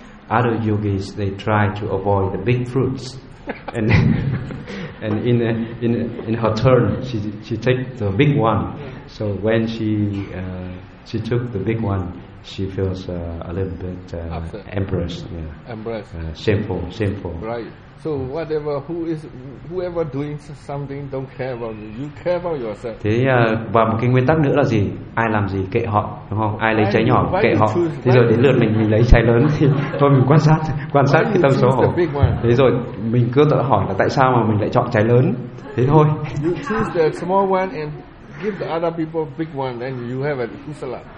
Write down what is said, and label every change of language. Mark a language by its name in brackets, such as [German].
[English] Other yogis, they try to avoid the big fruits, and in her turn, she takes the big one. So when she took the big one, she feels a little bit embarrassed. Yeah. Embarrassed. Shameful. Right. So whatever, whoever doing something don't care about you. You care about yourself. [Vietnamese] Thế và một cái nguyên tắc nữa là gì? Ai làm gì kệ họ, đúng không? Ai lấy trái nhỏ kệ họ. Thế rồi đến lượt mình lấy trái lớn thì thôi mình quan sát cái tâm số hồn. Thế rồi mình cứ tự hỏi là tại sao mà mình lại chọn trái lớn? Thế thôi. [English] You choose the small one and give the other people big one, then you have a kusala.